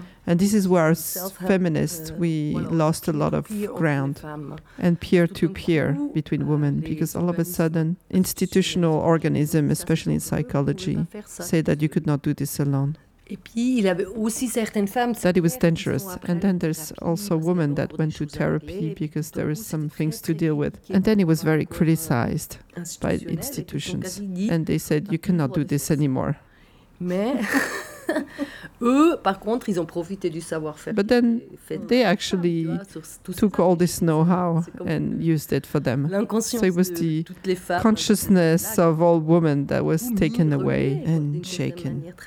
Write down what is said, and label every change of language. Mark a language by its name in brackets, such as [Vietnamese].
[English] And this is where feminists, we lost a lot of ground, and peer-to-peer between women, because all of a sudden, institutional organisms, especially in psychology, say that you could not do this alone. [French] Et puis, il avait aussi certaines femmes, [English] that it was dangerous. And then there's also women that went to therapy because there is some things to deal with. And then it was very criticized by institutions. And they said, you cannot do this anymore. [French] Mais eux, par contre, ils ont profité du savoir-faire. [English] But then they actually took all this know-how and used it for them. So it was the consciousness of all women that was taken away and shaken.